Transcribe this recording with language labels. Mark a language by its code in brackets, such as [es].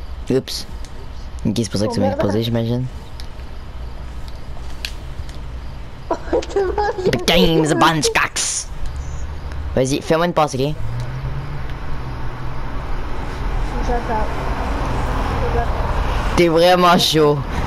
[fr] Oups. Ok, c'est pour ça que tu m'as exposé, j'imagine. [en] The game's a bunch of cocks. [fr] Vas-y, fais-moi une passe, ok? T'es vraiment chaud.